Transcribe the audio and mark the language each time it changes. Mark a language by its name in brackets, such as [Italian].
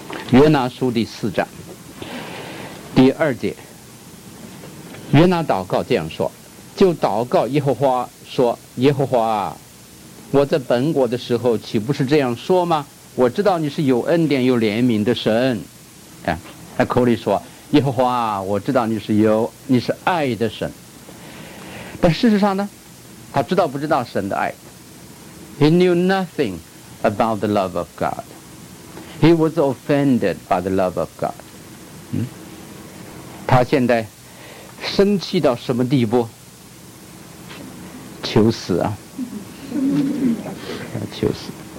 [Chinese] 约拿书第四章第二节，约拿祷告这样说，就祷告耶和华说：“耶和华啊，我在本国的时候岂不是这样说吗？我知道你是有恩典有怜悯的神。” 啊，他口里说：“耶和华啊，我知道你是爱的神。” 但事实上呢，他知道不知道神的爱。 [English] He knew nothing about the love of God. He was offended by the love of God. [Chinese] 他现在生气到什么地步？求死啊，求死。